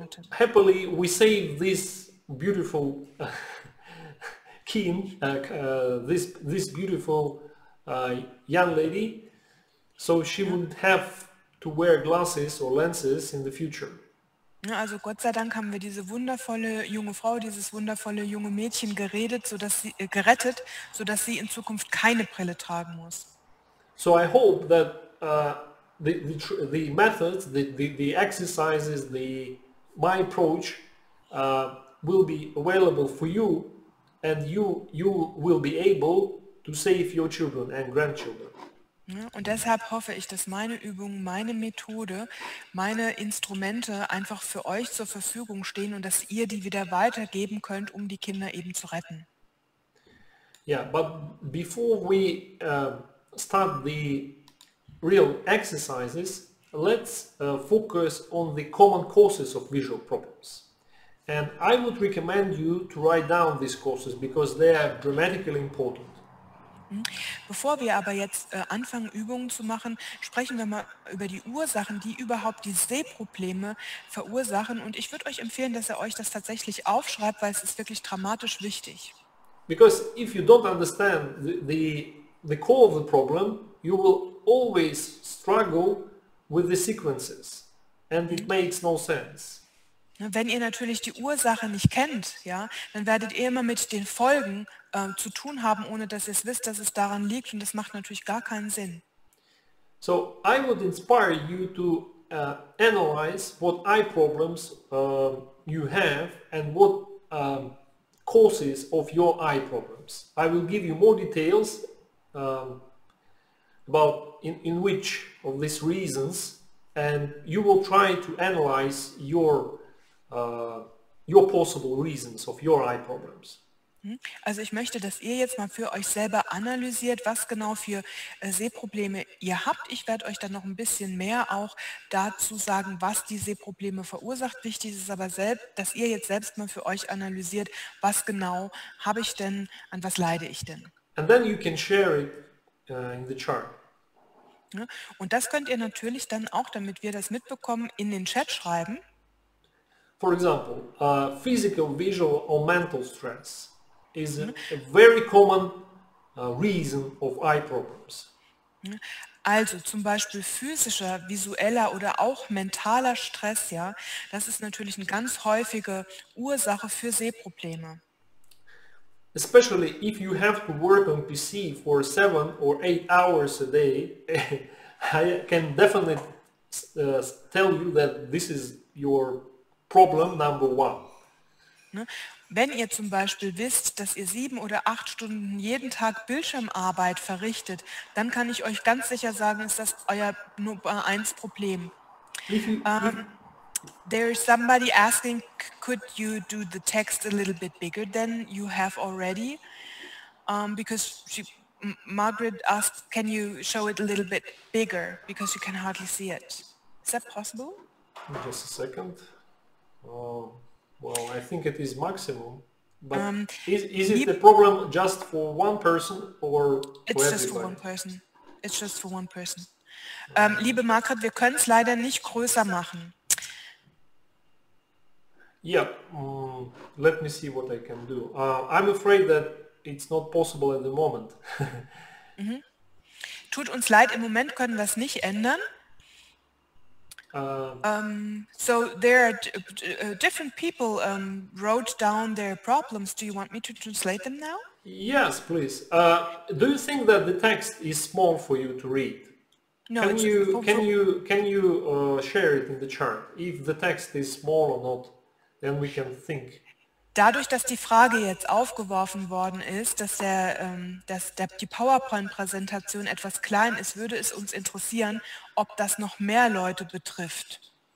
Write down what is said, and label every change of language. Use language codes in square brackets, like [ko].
[en] Happily we save this beautiful kid, this beautiful young lady, so she wouldn't have to wear glasses or lenses in the future. [de] Also Gott sei Dank haben wir diese wundervolle junge Frau, dieses wundervolle junge Mädchen gerettet, sodass sie in Zukunft keine Brille tragen muss. [en] So I hope that the methods, the exercises, my approach will be available for you and you will be able to save your children and grandchildren. [de] Und deshalb hoffe ich, dass meine Übungen, meine Methode, meine Instrumente einfach für euch zur Verfügung stehen und dass ihr die wieder weitergeben könnt, um die Kinder eben zu retten. [en] Yeah, but before we start the real exercises, let's focus on the common causes of visual problems. And I would recommend you to write down these causes because they are dramatically important. [de] Bevor wir aber jetzt anfangen, Übungen zu machen, sprechen wir mal über die Ursachen, die überhaupt die Sehprobleme verursachen. Und ich würde euch empfehlen, dass ihr euch das tatsächlich aufschreibt, weil es ist wirklich dramatisch wichtig. [en] Because if you don't understand the core of the problem, you will always struggle with the sequences. And it makes no sense. [de] Wenn ihr natürlich die Ursache nicht kennt, ja, dann werdet ihr immer mit den Folgen zu tun haben, ohne dass ihr es wisst, dass es daran liegt, und das macht natürlich gar keinen Sinn. [en] So, I would inspire you to analyze what eye problems you have and what causes of your eye problems. I will give you more details about in which of these reasons, and you will try to analyze your possible reasons of your eye problems. [de] Also ich möchte, dass ihr jetzt mal für euch selber analysiert, was genau für Sehprobleme ihr habt. Ich werde euch dann noch ein bisschen mehr auch dazu sagen, was die Sehprobleme verursacht. Wichtig ist aber selbst, dass ihr jetzt selbst mal für euch analysiert, was genau habe ich denn, an was leide ich denn. [en] And then you can share it in the chart. [de] Und das könnt ihr natürlich dann auch, damit wir das mitbekommen, in den Chat schreiben. [en] For example, physical, visual or mental stress is a very common reason of eye problems. [de] Also zum Beispiel physischer, visueller oder auch mentaler Stress, ja, das ist natürlich eine ganz häufige Ursache für Sehprobleme. [en] Especially if you have to work on PC for 7 or 8 hours a day, I can definitely tell you that this is your problem number one. [de] Wenn ihr zum Beispiel wisst, dass ihr 7 oder 8 Stunden jeden Tag Bildschirmarbeit verrichtet, dann kann ich euch ganz sicher sagen, ist das euer Nummer 1 Problem. [en] There is somebody asking, could you do the text a little bit bigger than you have already? Because she, Margaret asked, can you show it a little bit bigger? Because you can hardly see it. Is that possible? Just a second. Well, I think it is maximum, but is it the problem just for one person or it's just for one person. It's just for one person. [de] Liebe Margaret, wir können es leider nicht größer machen. [en] Yeah, let me see what I can do. I'm afraid that it's not possible at the moment. [de] Tut uns leid, im Moment können wir es nicht ändern. [en] So there are different people wrote down their problems. Do you want me to translate them now? Yes, please. Do you think that the text is small for you to read? No, can you can you share it in the chart if the text is small or not? Then we can think. [de] Dadurch, dass die Frage jetzt aufgeworfen worden ist, dass der, die PowerPoint-Präsentation etwas klein ist, würde es uns interessieren, ob das noch mehr Leute betrifft.